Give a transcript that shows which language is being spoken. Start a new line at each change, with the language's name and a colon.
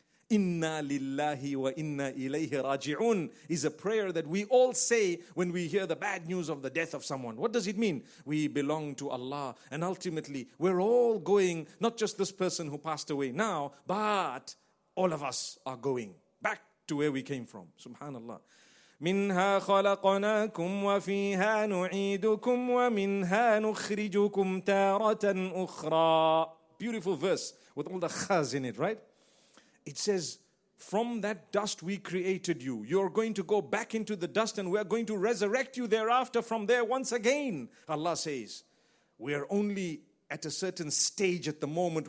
Arabic: Inna lillahi wa inna ilayhi raji'un
English: is a prayer that we all say when we hear the bad news of the death of someone. What does it mean? We belong to Allah. And ultimately, we're all going, not just this person who passed away now, but all of us are going back to where we came from. Subhanallah.
Arabic: منها خلقناكم وفيها نعيدكم ومنها نخرجكم تارة أخرى.
English: Beautiful verse with all the khaz in it, right? It says, from that dust we created you. You're going to go back into the dust and we're going to resurrect you thereafter from there once again. Allah says, we are only at a certain stage at the moment.